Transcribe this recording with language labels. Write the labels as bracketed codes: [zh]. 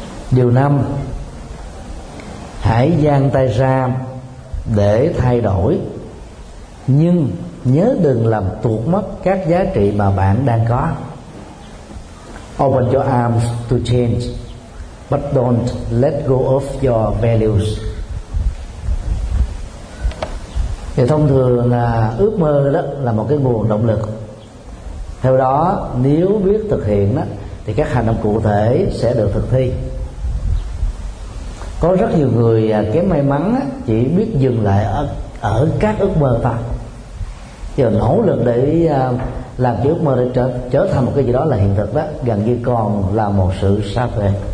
[vi] Điều năm, hãy giang tay ra để thay đổi, nhưng nhớ đừng làm tuột mất các giá trị mà bạn đang có. [en] Open your arms to change, but don't let go of your values. [vi] Thì thông thường là ước mơ đó là một cái nguồn động lực. Theo đó, nếu biết thực hiện đó, thì các hành động cụ thể sẽ được thực thi. Có rất nhiều người kém may mắn chỉ biết dừng lại ở các ước mơ ta, giờ nỗ lực để làm cái ước mơ để trở thành một cái gì đó là hiện thực đó, gần như còn là một sự xa vời.